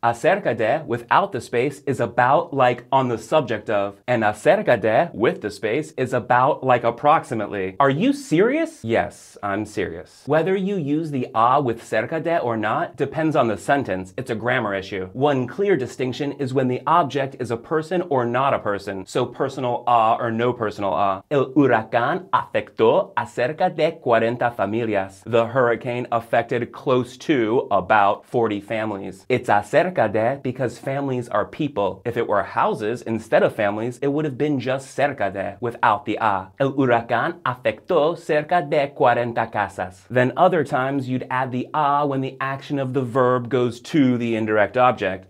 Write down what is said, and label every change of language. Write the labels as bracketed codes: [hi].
[en] Acerca de without the space is about, like on the subject of, and acerca de with the space is about, like approximately. Are you serious? Yes, I'm serious. Whether you use the a with cerca de or not depends on the sentence. It's a grammar issue. One clear distinction is when the object is a person or not a person. So personal a or no personal a. [es] El huracán afectó a cerca de 40 familias. [en] The hurricane affected close to about 40 families. It's acerca de because families are people. If it were houses instead of families, it would have been just cerca de without the a. El huracán afectó cerca cerca de 40 casas. Then other times you'd add the a when the action of the verb goes to the indirect object.